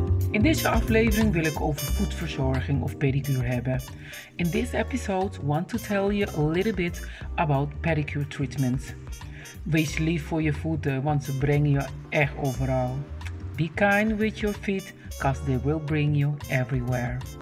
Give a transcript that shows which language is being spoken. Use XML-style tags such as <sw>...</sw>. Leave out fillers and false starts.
<nl>In deze aflevering wil ik over voetverzorging of pedicure hebben.</nl> <en>In this episode want to tell you a little bit about pedicure treatment.</en> <nl>Wees lief voor je voeten, want ze brengen je echt overal.</nl> <en>Be kind with your feet, cause they will bring you everywhere.</en>